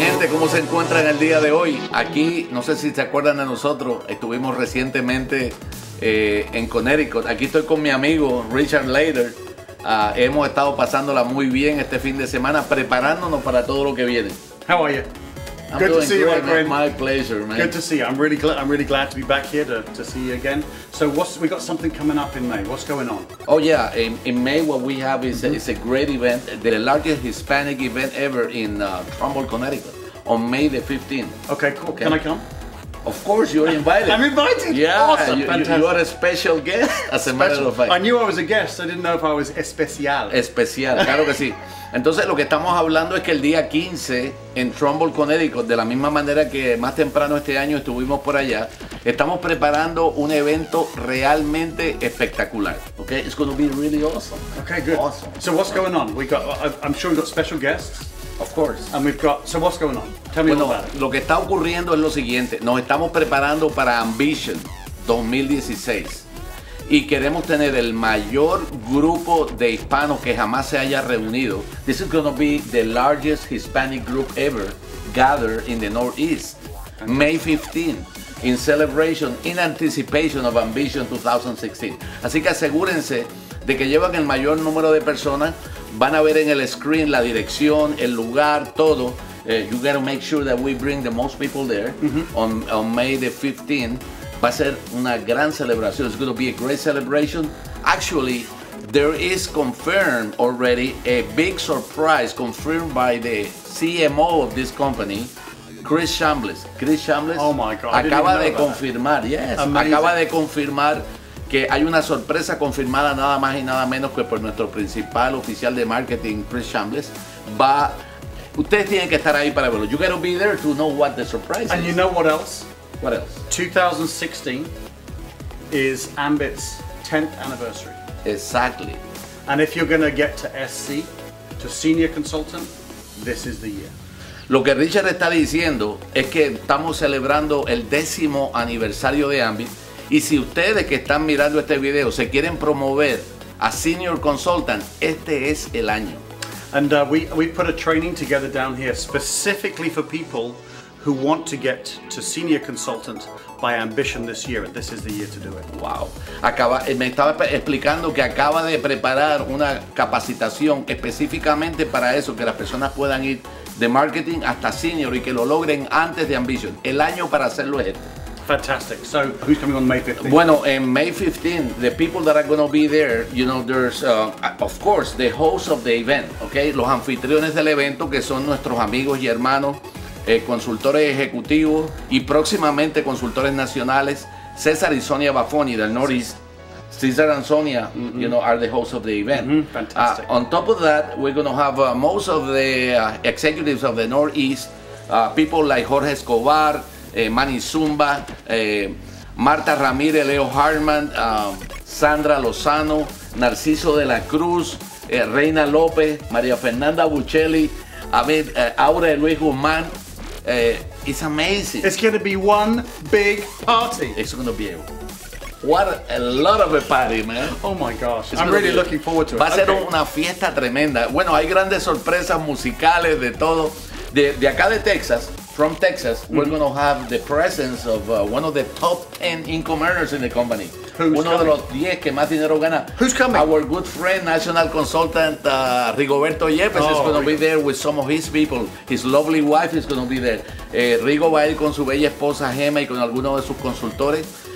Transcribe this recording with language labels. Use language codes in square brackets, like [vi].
[es] cómo se encuentra en el día de hoy. Aquí, no sé si se acuerdan de nosotros, estuvimos recientemente en Connecticut. Aquí estoy con mi amigo Richard Laidler. Hemos estado pasándola muy bien este fin de semana, preparándonos para todo lo que viene. [en] How are you? I'm good to see you, my friend. My pleasure, man. Good to see you. I'm really glad to be back here to see you again. So we got something coming up in May. What's going on? Oh yeah, in May what we have is mm-hmm. it's a great event, the largest Hispanic event ever in Trumbull, Connecticut, on May the 15th. Okay, cool. Okay. Can I come? Of course, you're invited. I'm invited. Yeah, awesome. Fantastic. You are a special guest. As a matter of fact, I knew I was a guest. I didn't know if I was especial. [es] Especial. Claro que sí. Entonces, lo que estamos hablando es que el día 15 en Trumbull, Connecticut, de la misma manera que más temprano este año estuvimos por allá, estamos preparando un evento realmente espectacular. [en] Okay, it's going to be really awesome. Okay, good. Awesome. So what's going on? I'm sure we've got special guests. Of course. And we've got. So what's going on? Tell me [es] bueno, [en] all about it. [es] Lo que está ocurriendo es lo siguiente. Nos estamos preparando para Ambition 2016. Y queremos tener el mayor grupo de hispanos que jamás se haya reunido. [en] This is going to be the largest Hispanic group ever gathered in the Northeast. May 15th, in celebration, in anticipation of Ambition 2016. [es] Así que asegúrense de que llevan el mayor número de personas. Van a ver en el screen la dirección, el lugar, todo. [en] You got to make sure that we bring the most people there on May the 15th. [es] Va a ser una gran celebración. [en] It's going to be a great celebration. Actually, there is confirmed already a big surprise confirmed by the CMO of this company, Chris Chambliss. Chris Chambliss, oh my God, [es] acaba de confirmar, yes, [en] amazing. [es] Acaba de confirmar que hay una sorpresa confirmada nada más y nada menos que por nuestro principal oficial de marketing, Chris Chambliss. Va, ustedes tienen que estar ahí para verlo. [en] You got to be there to know what the surprise and is. And you know what else? What else? 2016 is Ambit's 10th anniversary. Exactly. And if you're going to get to SC, to senior consultant, this is the year. [es] Lo que Richard está diciendo es que estamos celebrando el décimo aniversario de Ambit. Y si ustedes que están mirando este video se quieren promover a senior consultant, este es el año. [en] And we put a training together down here specifically for people who want to get to senior consultant by Ambition this year, and this is the year to do it. Wow. [es] Me estaba explicando que acaba de preparar una capacitación específicamente para eso, que las personas puedan ir de marketing hasta senior y que lo logren antes de Ambition. El año para hacerlo es. [en] Fantastic. So, who's coming on May 15th? Bueno, in May 15th, the people that are going to be there, you know, there's, of course, the host of the event, okay? [es] Los anfitriones del evento, que son nuestros amigos y hermanos, consultores ejecutivos y próximamente consultores nacionales, Cesar y Sonia Baffoni del Northeast. [en] Cesar and Sonia, mm-hmm. you know, are the hosts of the event. Mm-hmm. Fantastic. On top of that, we're going to have most of the executives of the Northeast, people like Jorge Escobar, Manny Zumba, Marta Ramirez, Leo Hartman, Sandra Lozano, Narciso de la Cruz, Reina López, María Fernanda Buccelli, Aura Luis Guzmán. It's amazing. It's going to be one big party. It's going to be a lot of a party, man. Oh my gosh. It's I'm really looking forward to it. [es] Va a ser una fiesta tremenda. Bueno, hay grandes sorpresas musicales de todo. De acá de Texas, [en] from Texas, [es] mm-hmm. [en] we're going to have the presence of one of the top 10 income earners in the company. Who's [es] uno [en] coming? [es] De los 10 que más dinero gana. [en] Who's coming? Our good friend, national consultant, Rigoberto Yepes, is going to be there with some of his people. His lovely wife is going to be there. [es] Rigo va a ir con su bella esposa Gemma y con algunos de sus consultores.